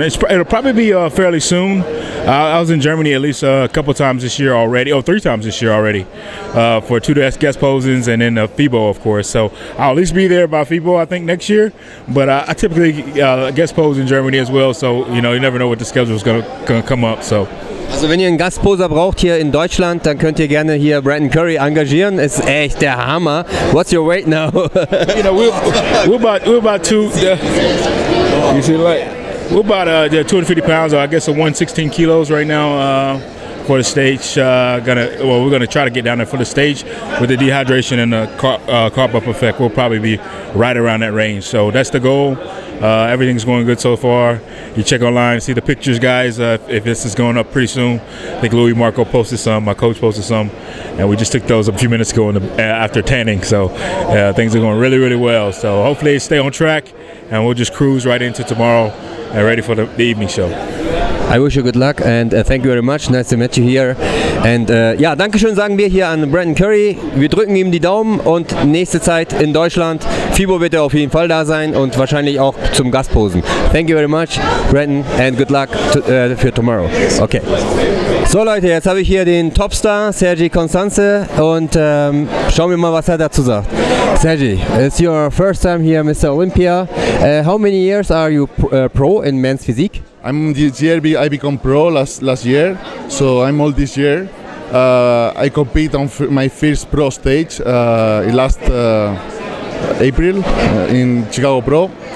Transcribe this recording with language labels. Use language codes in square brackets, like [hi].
[en] It'll probably be fairly soon. I was in Germany at least a couple times this year already. Oh, 3 times this year already for 2 days guest posings and then FIBO, of course. So I'll at least be there by FIBO, I think, next year. But I typically guest pose in Germany as well. So, you know, you never know what the schedule is going to come up. So. [de] Also wenn ihr einen Gastposer braucht hier in Deutschland, dann könnt ihr gerne hier Brandon Curry engagieren. Ist echt der Hammer. [en] What's your weight now? You know, we're about 2. You see, like, we're about 250 pounds, or I guess 116 kilos right now for the stage. We're gonna try to get down there for the stage with the dehydration and the carb up effect. We'll probably be right around that range. So that's the goal. Everything's going good so far. You check online, see the pictures, guys, if this is going up pretty soon. I think Louis Marco posted some, my coach posted some, and we just took those a few minutes ago in the, after tanning. So things are going really, really well. So hopefully stay on track, and we'll just cruise right into tomorrow and ready for the evening show. I wish you good luck and thank you very much. Nice to meet you here. And [de] ja, Dankeschön sagen wir hier an Brandon Curry. Wir drücken ihm die Daumen und nächste Zeit in Deutschland. FIBO wird er auf jeden Fall da sein und wahrscheinlich auch zum Gastposen. [en] Thank you very much, Brandon, and good luck für tomorrow. Okay. [de] So Leute, jetzt habe ich hier den Topstar, Sergi Constanze, und schauen wir mal, was er dazu sagt. [en] Sergi, it's your first time here, Mr. Olympia. How many years are you pro in men's physique? I'm this year, I become pro last year, so I'm old this year. I compete on my first pro stage last April in Chicago Pro.